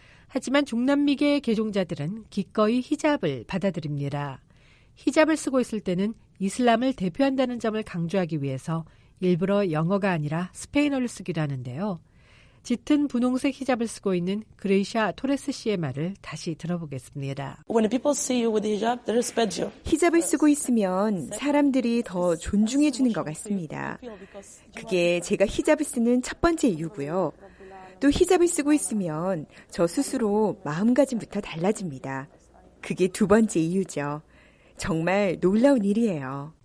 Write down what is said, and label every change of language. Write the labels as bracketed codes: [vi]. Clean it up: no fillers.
[ko] 하지만 중남미계 개종자들은 기꺼이 히잡을 받아들입니다. 히잡을 쓰고 있을 때는 이슬람을 대표한다는 점을 강조하기 위해서 일부러 영어가 아니라 스페인어를 쓰기도 하는데요. 짙은 분홍색 히잡을 쓰고 있는 그레이샤 토레스 씨의 말을 다시 들어보겠습니다. [en] When people see you with hijab, they respect you. [ko] 히잡을 쓰고 있으면 사람들이 더 존중해 주는 것 같습니다. 그게 제가 히잡을 쓰는 첫 번째 이유고요. 또 히잡을 쓰고 있으면 저 스스로 마음가짐부터 달라집니다. 그게 두 번째 이유죠. 정말 놀라운 일이에요.